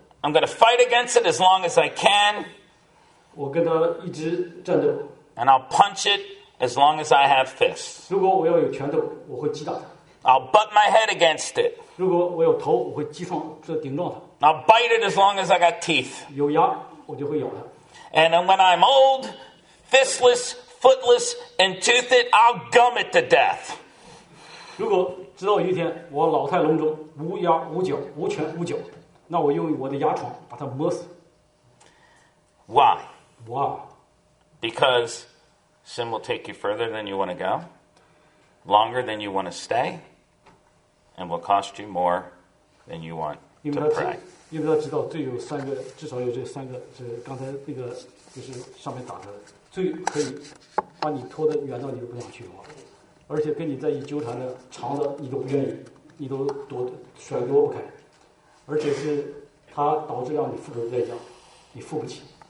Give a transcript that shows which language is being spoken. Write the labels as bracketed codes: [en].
[en] I'm going to fight against it as long as I can. [zh] 我跟他一直战斗。 [en] And I'll punch it. As long as I have fists. [zh] 如果我要有拳头，我会击打他。 [en] I'll butt my head against it. [zh] 如果我有头，我会击撞，这顶撞他。 [en] I'll bite it as long as I got teeth. [zh] 有牙，我就会咬他。 [en] And when I'm old, fistless, footless, and toothed, I'll gum it to death. [zh] 如果直到有一天我老态龙钟，无牙无脚无拳无脚，那我用我的牙床把他磨死。 [en] Why? Why? Because. Sin will take you further than you want to go, longer than you want to stay, and will cost you more than you want to pray. [zh] 因为他知道罪有三个，至少有这三个，是刚才那个，就是上面打的，罪可以把你拖得远到你都不想去的话，而且跟你在一纠缠的长的你都不愿意，你都甩躲不开，而且是它导致让你付出的代价，你付不起。